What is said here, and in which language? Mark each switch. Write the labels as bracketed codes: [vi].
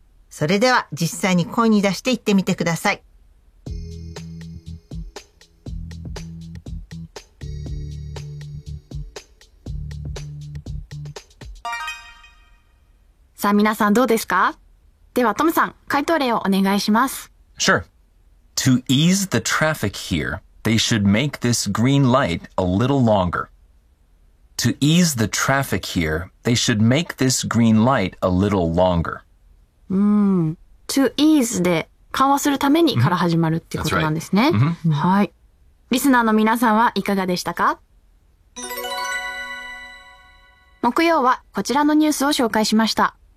[ja] それでは実際に声に出して言ってみてください。さあ、皆さんどうですか？ではトムさん、回答例をお願いします。 [en] Sure. To ease the traffic here, they should make this green light a little longer. To ease the traffic here, they should make this green light a little longer. To ease [ja] で緩和するためにから始まるっていうことなんですね。はい。リスナーの皆さんはいかがでしたか？木曜はこちらのニュースを紹介しました。